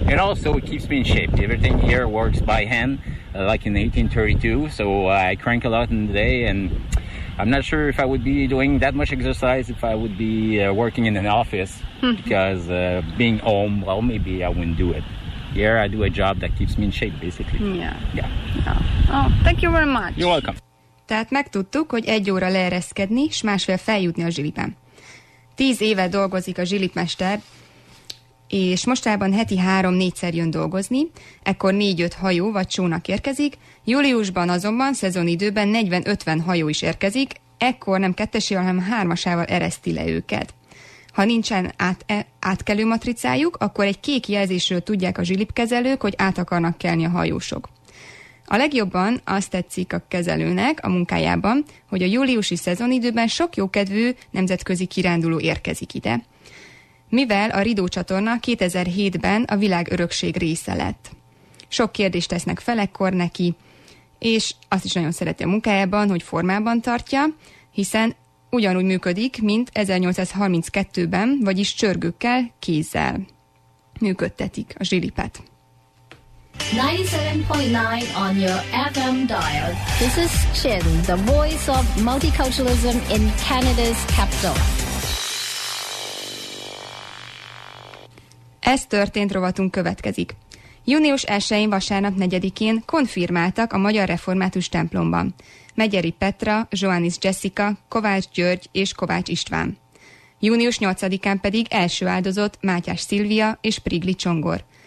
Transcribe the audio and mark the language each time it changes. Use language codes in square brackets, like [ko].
[en] And also it keeps me in shape. Everything here works by hand, like in 1832. So I crank a lot in the day, and I'm not sure if I would be doing that much exercise if I would be working in an office because being home, well, maybe I wouldn't do it. Here I do a job that keeps me in shape, basically. Yeah. Yeah. Oh, thank you very much. You're welcome. [hu] Tehát megtudtuk, hogy egy óra leereszkedni, s másfél feljutni a zsilipen. 10 éve dolgozik a zsilipmester, és mostában heti 3-4-szer jön dolgozni, ekkor 4-5 hajó vagy csónak érkezik, júliusban azonban szezonidőben 40-50 hajó is érkezik, ekkor nem kettesével, hanem hármasával ereszti le őket. Ha nincsen átkelő matricájuk, akkor egy kék jelzésről tudják a zsilipkezelők, hogy át akarnak kelni a hajósok. A legjobban azt tetszik a kezelőnek a munkájában, hogy a júliusi szezonidőben sok jókedvű nemzetközi kiránduló érkezik ide, mivel a Rideau csatorna 2007-ben a világörökség része lett. Sok kérdést tesznek fel ekkor neki, és azt is nagyon szereti a munkájában, hogy formában tartja, hiszen ugyanúgy működik, mint 1832-ben, vagyis csörgőkkel, kézzel működtetik a zsilipet. [en] 97.9 on your FM dial. This is Chin, the voice of multiculturalism in Canada's capital. [hu] Ez történt rovatunk következik. Június 1-én vasárnap 4-én konfirmáltak a Magyar Református templomban Megyeri Petra, Joannis Jessica, Kovács György és Kovács István. Június 8-án pedig első áldozott Mátyás Szilvia és Prigli Csongor.